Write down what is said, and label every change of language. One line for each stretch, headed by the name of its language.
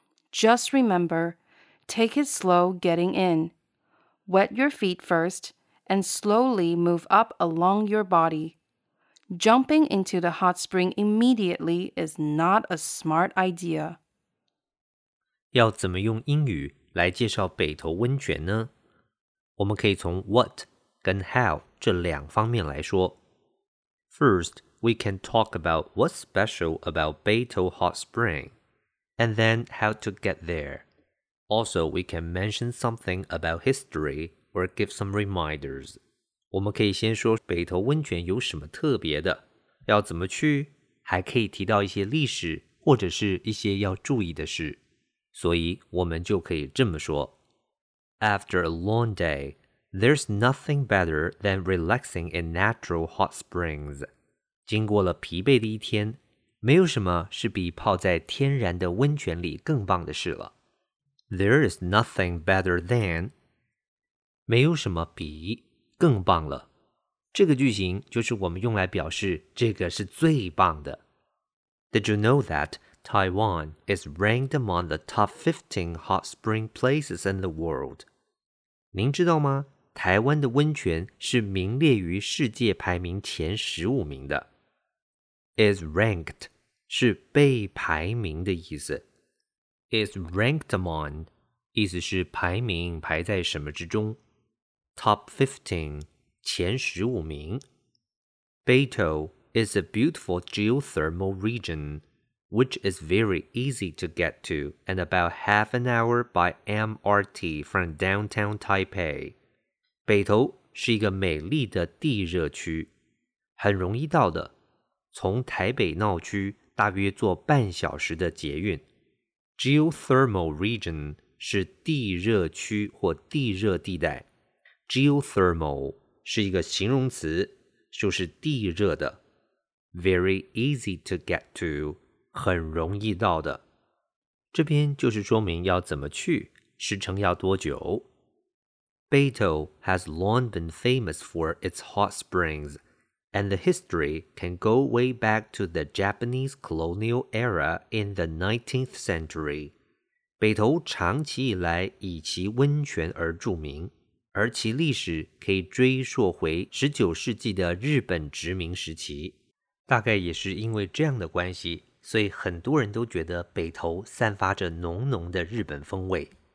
English: Just remember, take it slow getting in. Wet your feet first and slowly move up along your body. Jumping into the hot spring immediately is not a smart idea.
Chinese: 要怎么用英语来介绍北投温泉呢？我们可以从 what 跟 how 这两方面来说。
English: First, we can talk about what's special about Beitou Hot Spring, and then how to get there. Also, we can mention something about history or give some reminders.
Chinese: 我们可以先说北投温泉有什么特别的，要怎么去，还可以提到一些历史或者是一些要注意的事。所以我们就可以这么说。
English: After a long day, there's nothing better than relaxing in natural hot springs.
Chinese: 经过了疲惫的一天，没有什么是比泡在天然的温泉里更棒的事了。
English: There is nothing better than,
Chinese: 没有什么比更棒了。这个句型就是我们用来表示这个是最棒的。
English: Did you know that? Taiwan is ranked among the top 15 hot spring places in the world.
Chinese: 您知道吗？台湾的温泉是名列于世界排名前15名的。
English: Is ranked
Chinese: 是被排名的意思。
English: Is ranked among
Chinese: 意思是排名排在什么之中。
English: Top 15
Chinese: 前15名。
English: Beitou is a beautiful geothermal region. Which is very easy to get to and about half an hour by MRT from downtown Taipei.
Chinese: 北投是一个美丽的地热区，很容易到的，从台北闹区大约坐半小时的捷运。
English: Geothermal region
Chinese: 是地热区或地热地带。 Geothermal 是一个形容词，就是地热的。
English: Very easy to get to.
Chinese: 很容易到的。这边就是说明要怎么去，时程要多久。
English: Beitou has long been famous for its hot springs, and the history can go way back to the Japanese colonial era in the 19th century.
Chinese: 北投长期以来以其温泉而著名，而其历史可以追溯回19世纪的日本殖民时期。大概也是因为这样的关系，所以很多人都觉得北投散发着浓浓的日本风味。